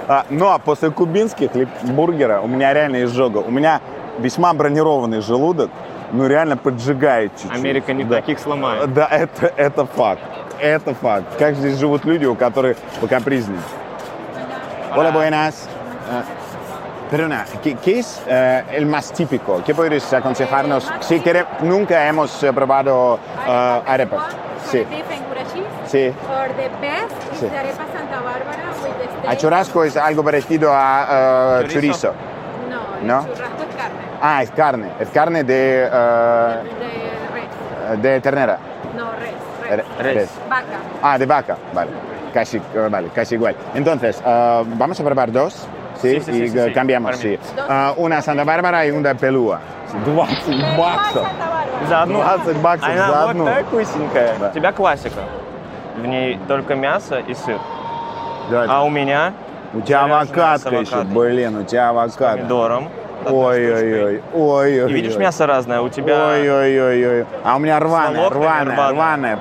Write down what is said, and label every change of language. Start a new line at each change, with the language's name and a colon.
Russian: Ну, а после кубинских бургера у меня реально изжога. У меня весьма бронированный желудок, ну, реально поджигает чуть-чуть. Америка не таких сломает. Да, это факт. Это факт. Как здесь живут люди, у которых покапризнее.
Spanish: Hola, buenas. Perdona, ¿qué es el más típico? ¿Qué podrías aconsejarnos? Si quiere, nunca hemos probado arepas. Sí. Sí.
English: For the best is arepa Santa Bárbara with the steak.
Spanish: ¿A churrasco es algo parecido a chorizo? No, no, churrasco es carne. Ah, es carne. Es carne de... De res. De ternera. No, res. Vaca. Ah, de vaca. Vale. Casi igual. Entonces, vamos a probar dos. Sí, cambiamos, sí. Una Santa Bárbara y una Pelúa.
Russian: 20 баксов. За одну. 20 баксов она за одну. Она вот так вкусненькая. Да. У тебя классика. В ней только мясо и сыр. Да, а у меня? У тебя авокадка еще, блин, у тебя авокадка. С помидором. Ой-ой-ой. И видишь, мясо разное у тебя. Ой-ой-ой. А у меня рваное. Да.